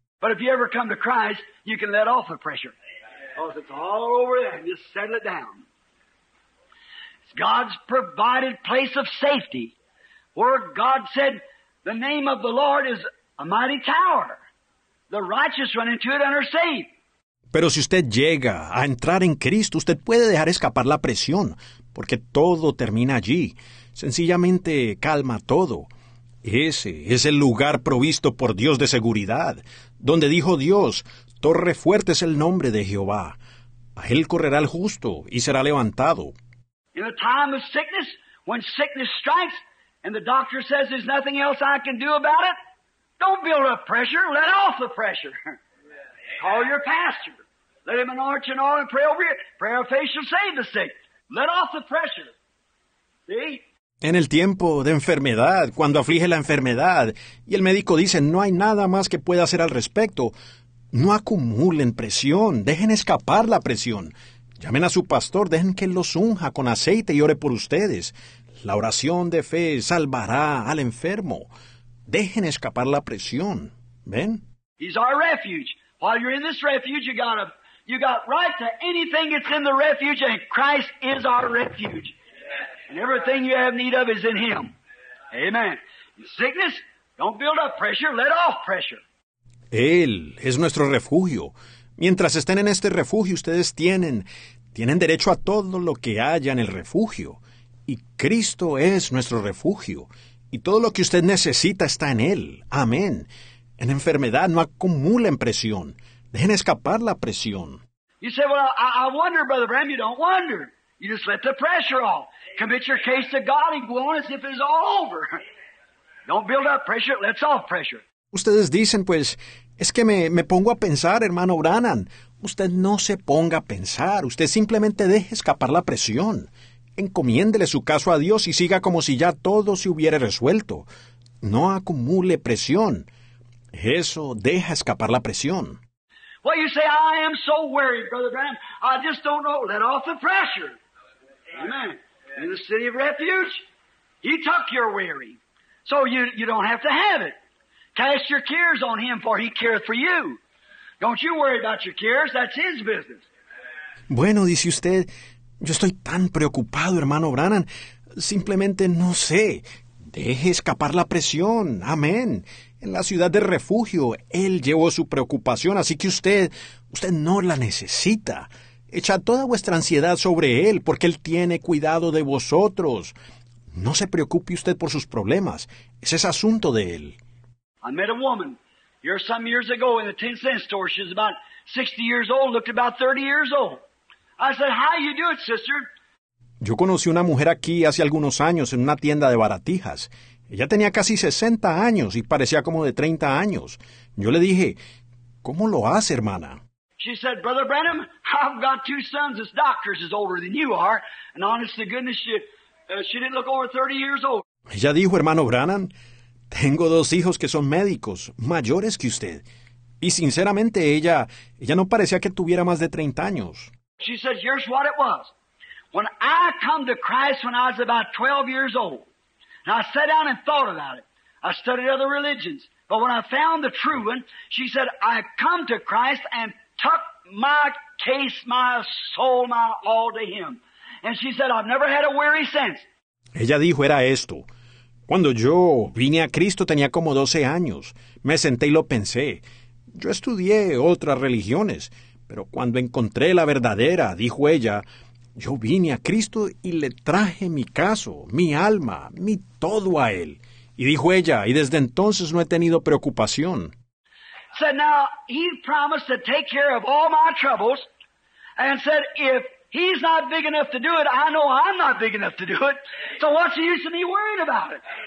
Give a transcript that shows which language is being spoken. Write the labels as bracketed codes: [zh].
[en] But if you ever come to Christ, you can let off the pressure. Because it's all over there, and just settle it down. It's God's provided place of safety, where God said, the name of the Lord is a mighty tower. The righteous run into it and are safe. [es] Pero si usted llega a entrar en Cristo, usted puede dejar escapar la presión, porque todo termina allí. Sencillamente calma todo. Ese es el lugar provisto por Dios de seguridad, donde dijo Dios, torre fuerte es el nombre de Jehová. A él correrá el justo y será levantado. [en] In a time of sickness, when sickness strikes, and the doctor says there's nothing else I can do about it, Don't build up pressure. Let off the pressure. Yeah. Call your pastor. Let him anoint you and all and pray over you. Prayer of faith shall save the sick. Let off the pressure. See? [es] En el tiempo de enfermedad, cuando aflige la enfermedad, y el médico dice, no hay nada más que pueda hacer al respecto, no acumulen presión, dejen escapar la presión. Llamen a su pastor, dejen que él los unja con aceite y ore por ustedes. La oración de fe salvará al enfermo. Dejen escapar la presión, ¿ven? [en] He's our refuge. While you're in this refuge, you got right to anything that's in the refuge, and Christ is our refuge. And everything you have need of is in Him. Amen. Sickness, don't build up pressure, let off pressure. [es] Él es nuestro refugio. Mientras estén en este refugio, ustedes tienen derecho a todo lo que haya en el refugio. Y Cristo es nuestro refugio. Y todo lo que usted necesita está en Él. Amén. En enfermedad, no acumulen presión. Dejen escapar la presión. [en] You say, well, I wonder, Brother Bram, you don't wonder. You just let the pressure off. Commit your case to God and go on as if it's all over. Don't build up pressure, it lets off pressure. [es] Ustedes dicen, pues, es que me pongo a pensar, hermano Branham. Usted no se ponga a pensar. Usted simplemente deje escapar la presión. Encomiéndele su caso a Dios y siga como si ya todo se hubiera resuelto. No acumule presión. Eso deja escapar la presión. [en] Well, you say, I am so worried, Brother Branham. I just don't know. Let off the pressure. Amen. In the city of refuge, He took your weary. So you don't have to have it. Cast your cares on Him, for He careth for you. Don't you worry about your cares. That's His business. [es] Bueno, dice usted, yo estoy tan preocupado, hermano Branham. Simplemente no sé. Deje escapar la presión. Amén. En la ciudad de refugio, Él llevó su preocupación, así que usted no la necesita. Echa toda vuestra ansiedad sobre Él, porque Él tiene cuidado de vosotros. No se preocupe usted por sus problemas. Ese es asunto de Él. [en] I met a woman here some years ago in a 10-cent store. She was about 60 years old, looked about 30 years old. I said, how you do it, sister? [es] Yo conocí una mujer aquí hace algunos años en una tienda de baratijas. Ella tenía casi 60 años y parecía como de 30 años. Yo le dije, ¿cómo lo hace, hermana? [en] She said, Brother Branham, I've got two sons as doctors as older than you are. And honest to goodness, she didn't look over 30 years old. [es] Ella dijo, hermano Branham, tengo dos hijos que son médicos, mayores que usted. Y sinceramente, ella no parecía que tuviera más de 30 años. [en] She said, here's what it was. When I come to Christ when I was about 12 years old, and I sat down and thought about it. I studied other religions. But when I found the true one, she said, I come to Christ and took my case, my soul, my all to Him. And she said, I've never had a weary since. [es] Ella dijo, era esto. Cuando yo vine a Cristo, tenía como 12 años. Me senté y lo pensé. Yo estudié otras religiones. Pero cuando encontré la verdadera, dijo ella, yo vine a Cristo y le traje mi caso, mi alma, mi todo a Él. Y dijo ella, y desde entonces no he tenido preocupación. [en] Said, now, He promised to take care of all my troubles, and said, if He's not big enough to do it, I know I'm not big enough to do it, so what's the use of me worrying about it?